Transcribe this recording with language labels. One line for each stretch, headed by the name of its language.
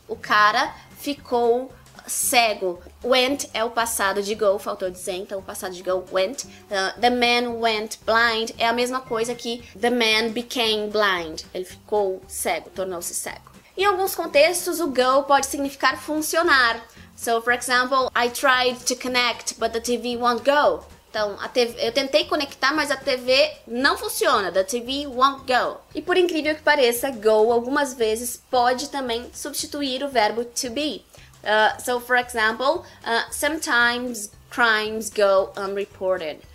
Portuguese: O cara ficou cego. Went é o passado de go, faltou dizer. Então, o passado de go, went.
English: The man went blind
Portuguese: é a mesma coisa que
English: the man became blind.
Portuguese: Ele ficou cego, tornou-se cego. Em alguns contextos, o go pode significar funcionar.
English: So, for example, I tried to connect, but the TV won't go.
Portuguese: Então, a TV, eu tentei conectar, mas a TV não funciona.
English: The TV won't go.
Portuguese: E por incrível que pareça, go algumas vezes pode também substituir o verbo to be.
English: So, for example, sometimes crimes go unreported.